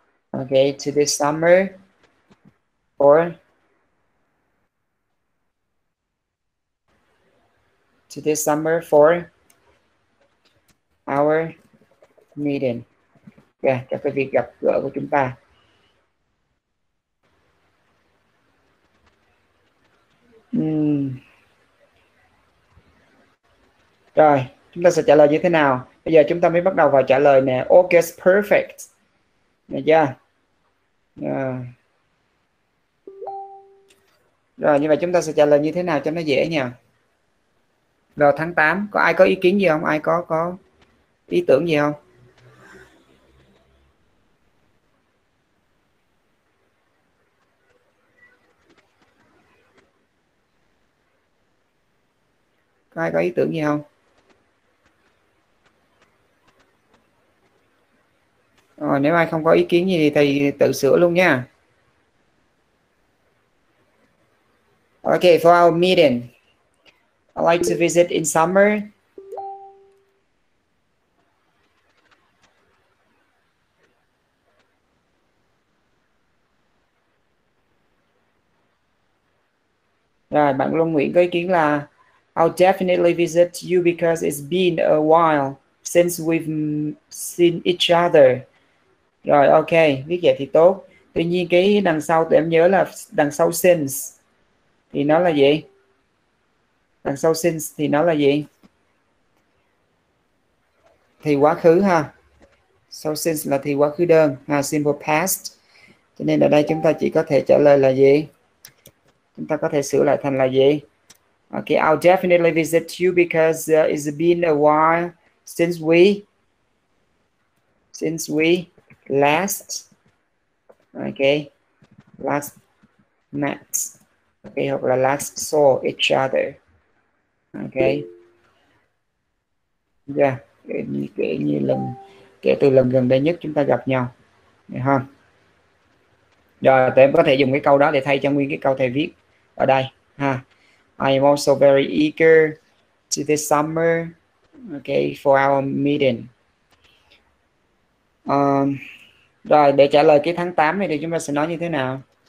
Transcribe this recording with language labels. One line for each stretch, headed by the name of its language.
English: Okay, to this summer or to this summer for our meeting.
Vietnamese: Yeah, cho cái việc gặp gỡ của chúng ta. Rồi, chúng ta sẽ trả lời như thế nào? Bây giờ chúng ta mới bắt đầu vào trả lời nè.
English: August perfect.
Vietnamese: Được chưa? Yeah. Rồi như vậy chúng ta sẽ trả lời như thế nào cho nó dễ nha. Vào tháng 8 có ai có ý kiến gì không? Ai có ý tưởng gì không? Có ai có ý tưởng gì không? Rồi, nếu ai không có ý kiến gì thì thầy tự sửa luôn nha.
English: Okay, for our meeting, I like to visit in summer.
Vietnamese: Rồi, bạn Long Nguyễn có ý kiến là
English: I'll definitely visit you because it's been a while since we've seen each other.
Vietnamese: Rồi, ok, viết vậy thì tốt. Tuy nhiên cái đằng sau tụi em nhớ là đằng sau since thì nó là gì? Đằng sau since thì nó là gì? Thì quá khứ ha. Sau since là thì quá khứ đơn, ha,
English: simple past.
Vietnamese: Cho nên ở đây chúng ta chỉ có thể trả lời là gì? Chúng ta có thể sửa lại thành là gì?
English: Ok, I'll definitely visit you because it's been a while since we last, okay, last met, okay,
Vietnamese: hoặc là
English: last saw each other, okay, yeah,
Vietnamese: kể như lần, kể từ lần gần đây nhất chúng ta gặp nhau, được không? Rồi, tụi em có thể dùng cái câu đó để thay cho nguyên cái câu thầy viết ở đây, ha.
English: I am also very eager to this summer, okay, for our meeting.
Vietnamese: Rồi, để trả lời cái tháng 8 này thì chúng ta sẽ nói như thế nào?